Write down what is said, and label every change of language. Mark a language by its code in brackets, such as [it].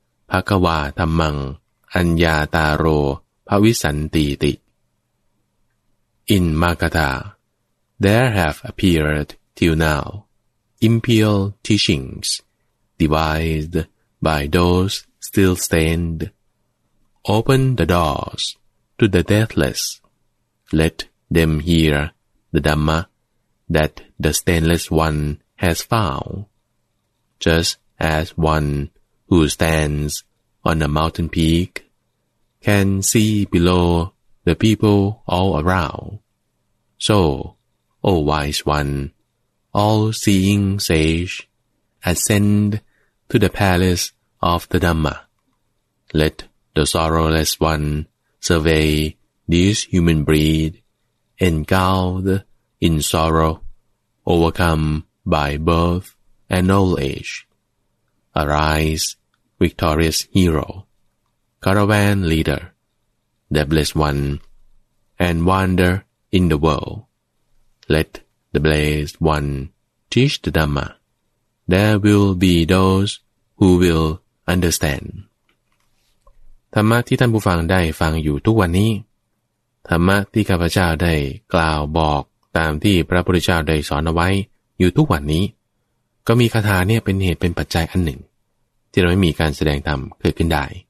[pi] ภควาธรรมังอัญญาตาโรภวิสันตีติ [en] In Magadha, there have appeared till now impure teachings devised by those still stained. Open the doors to the deathless. Let them hear the Dhamma that the stainless one has found. Just as one who stands on a mountain peak can see below the people all around. So, O wise one, all-seeing sage, ascend to the palace of the Dhamma. Let the sorrowless one survey this human breed, engulfed in sorrow, overcome by birth and old age. Arise, victorious hero, caravan leader, the blessed one, and wander in the world. Let the blessed one teach the Dhamma, there will be those who will understand. [th] ธรรมะที่ท่านผู้ฟังได้ฟังอยู่ทุกวันนี้ธรรมะที่ข้าพเจ้าได้กล่าวบอกตามที่พระพุทธเจ้าได้สอนเอาไว้อยู่ทุกวันนี้ก็มีคาถาเนี่ยเป็นเหตุเป็นปัจจัยอันหนึ่งที่เราไม่มีการแสดงธรรมเกิดขึ้นได้